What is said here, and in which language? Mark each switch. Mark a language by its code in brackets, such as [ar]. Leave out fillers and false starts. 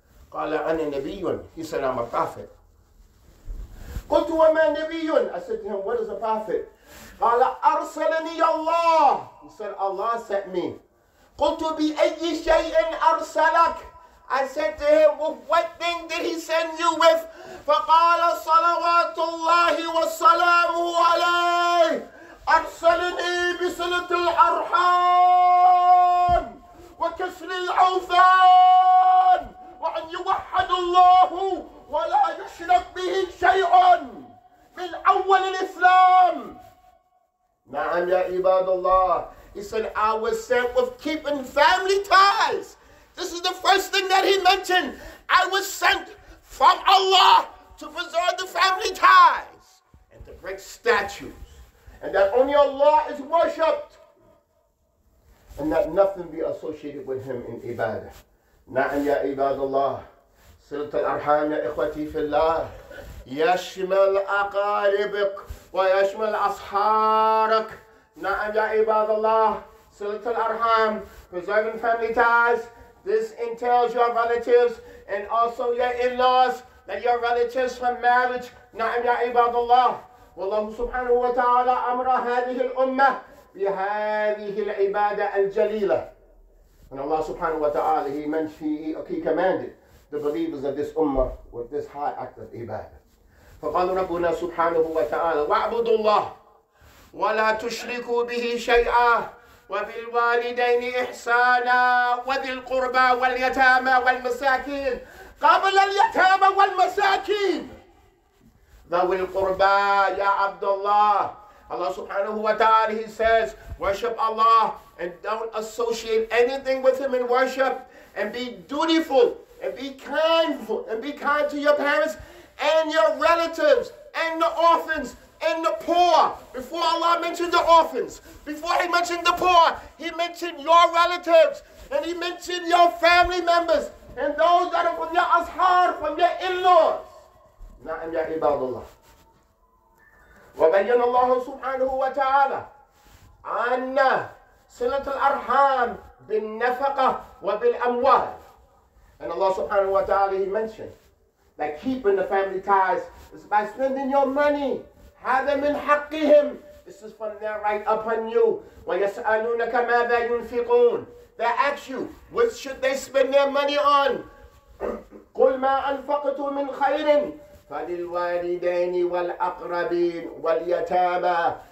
[ar] قال أنا نبي. [en] He said, I'm a prophet. [ar] قلت وما نبي. [en] I said to him, what is a prophet? [ar] قال أرسلني الله. [en] He said, Allah sent me. [ar] قلت بأي شيء أرسلك. [en] I said to him, well, what thing did he send you with? [ar] فقال صلوات الله وسلامه عليه أرسلني بصلة الأرحام وكسر الأوثان وأن يوحد الله ولا يشرك به شيء من أول الإسلام. نعم يا عباد الله. [en] He said, I was sent with keeping family ties. This is the first thing that he mentioned. I was sent from Allah to preserve the family ties and to break statues, and that only Allah is worshipped, and that nothing be associated with him in ibadah. [ar] نعم يا عباد الله. صلة الأرحام يا إخوتي في الله يشمل أقاربك ويشمل أصحارك. نعم يا عباد الله. [en] صلة الأرحام, preserving family ties, this entails your relatives and also your in-laws, that your relatives from marriage. [ar] نعم يا عباد الله. والله سبحانه وتعالى أمر هذه الأمة بهذه العبادة الجليلة. [en] And Allah subhanahu wa ta'ala, he commanded the believers of this ummah with this high act of ibadah. [ar] فقال ربنا سبحانه وتعالى واعبدوا الله ولا تشركوا به شيئا وبالوالدين إحسانا وذي القربى واليتامى والمساكين. قبل اليتامى والمساكين ذوي القربى يا عبد الله. [en] Allah subhanahu wa ta'ala, he says, worship Allah and don't associate anything with him in worship, and be dutiful and be kindful and be kind to your parents and your relatives and the orphans and the poor. Before Allah mentioned the orphans, before he mentioned the poor, he mentioned your relatives and he mentioned your family members and those that are from your ashar, from your in-laws. [ar] Na'am ya ibadullah. وبين الله سبحانه وتعالى أن صلة الأرحام بالنفقة وبالأموال. [en] And Allah subhanahu wa ta'ala, he mentioned that keeping the family ties is by spending your money. [ar] هذا من حقهم. [en] This is from their right upon you. [ar] وَيَسْأَلُونَكَ مَاذَا يُنْفِقُونَ. [en] They ask you, what should they spend their money on? [ar] قُلْ مَا أَنْفَقْتُ مِنْ خَيْرٍ فَلِلْوَالِدَيْنِ وَالْأَقْرَبِينَ وَالْيَتَامَى.